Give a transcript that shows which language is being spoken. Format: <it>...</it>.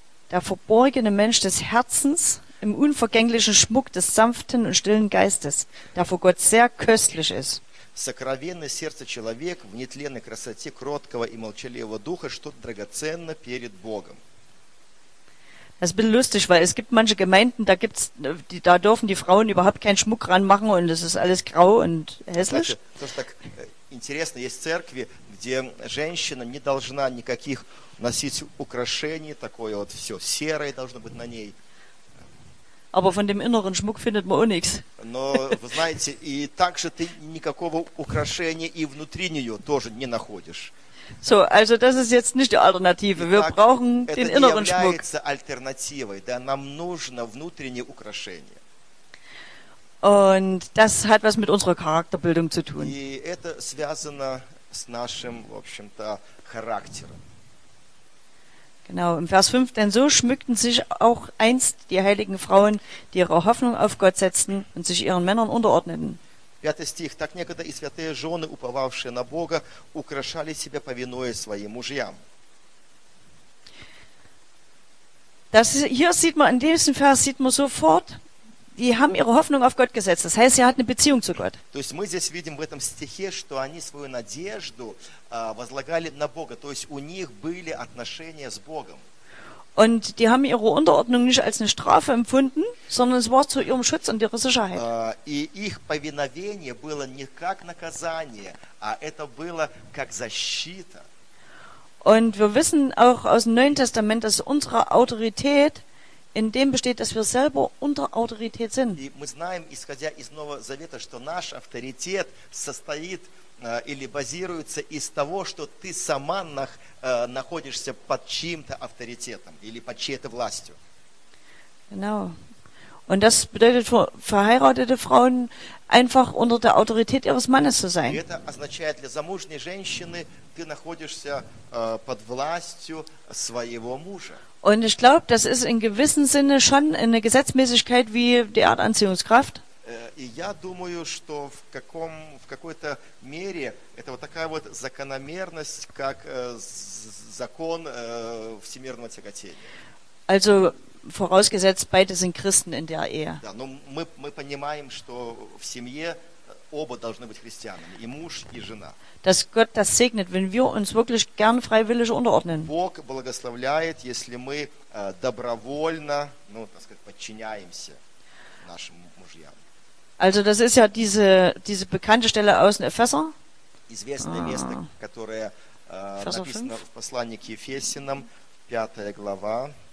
<de>Der verborgene Mensch des Herzens im unvergänglichen Schmuck des sanften und stillen Geistes, der vor Gott sehr köstlich ist.</de> <ru>Сокровенное сердце человек в нетленной красоте кроткого и молчаливого духа, что драгоценно перед Богом.</ru> <de>Das ist ein bisschen lustig, weil es gibt manche Gemeinden, da gibt's, die, da dürfen die Frauen überhaupt keinen Schmuck ranmachen und es ist alles grau und hässlich. Das ist</de> <ru>так интересно, есть церкви, где женщина не должна никаких носить украшений, такое вот все серое должно быть на ней.</ru> <de>Aber von dem inneren Schmuck findet man auch nichts.</de> <ru>Но вы знаете, и также ты никакого украшения и внутри нее тоже не находишь.</ru> <de>So, also das ist jetzt nicht die Alternative. Wir brauchen den inneren Schmuck.</de> <ru>Это является альтернативой. Да, нам нужно внутреннее украшение.</ru> <de>Und das hat was mit unserer Charakterbildung zu tun.</de> <ru>И это связано с нашим, в общем-то, характером.</ru> <de>Genau, im Vers 5, denn so schmückten sich auch einst die heiligen Frauen, die ihre Hoffnung auf Gott setzten und sich ihren Männern unterordneten.</de> <ru>5 стих. Так некогда и святые жены, уповавшие на Бога, украшали себя, повинуя своим мужьям.</ru> <de>Das ist, hier sieht man, in diesem Vers sieht man sofort, die haben ihre Hoffnung auf Gott gesetzt. Das heißt, sie hatten eine Beziehung zu Gott.</de> <ru>То есть мы здесь видим в этом стихе, что они свою надежду возлагали на Бога. То есть у них были отношения с Богом.</ru> <de>Und die haben ihre Unterordnung nicht als eine Strafe empfunden, sondern es war zu ihrem Schutz und ihrer Sicherheit.</de> <ru>И их повиновение было не как наказание, а это было как защита.</ru> <de>Und wir wissen auch aus dem Neuen Testament, dass unsere Autorität in dem besteht, dass wir selber unter Autorität sind.</de> <ru>И мы знаем, исходя из Нового Завета, что наш авторитет состоит или базируется из того, что ты сама находишься под чьим-то авторитетом или под чьей-то властью.</ru> <de>Genau. Und das bedeutet für verheiratete Frauen einfach unter der Autorität ihres Mannes zu sein.</de> <ru>Это означает для замужней женщины, ты находишься под властью своего мужа.</ru> <de>Und ich glaube, das ist in gewissem Sinne schon eine Gesetzmäßigkeit wie die Art Anziehungskraft.</de> <ru>Я думаю, что в какой-то мере это вот такая вот закономерность, как закон всемирного тяготения.</ru> <de>Also vorausgesetzt, beide sind Christen in der Ehe.</de> <ru>Да, но мы понимаем, что в семье оба должны быть христианами, и муж, и жена.</ru> <de>Dass Gott das segnet, wenn wir uns wirklich gern freiwillig unterordnen.</de> <ru>Бог благословляет, если мы добровольно, ну, так сказать, подчиняемся нашим мужьям.</ru> <de>Also das ist ja diese bekannte Stelle aus dem Epheser.</de> <ru>Известное место, которое написано в послании к Ефесянам, 5 глава.</ru>